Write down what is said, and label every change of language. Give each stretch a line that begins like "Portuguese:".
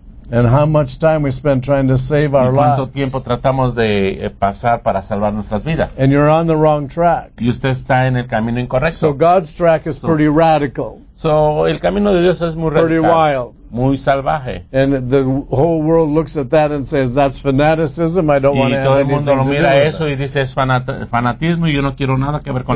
English: And how much time we spend trying to save our lives.
Spanish: ¿Y cuánto tiempo tratamos de pasar para salvar nuestras vidas?
English: And you're on the wrong track.
Spanish: Y usted está en el camino incorrecto.
English: So God's track is pretty radical.
Spanish: So el camino de Dios es muy radical.
English: Pretty wild.
Spanish: Muy salvaje.
English: And the whole world looks at that and says, that's fanaticism, I don't
Spanish: y
English: want to have anything to do with it.
Spanish: Y todo el mundo lo mira eso y dice, es fanatismo y yo no quiero nada que ver con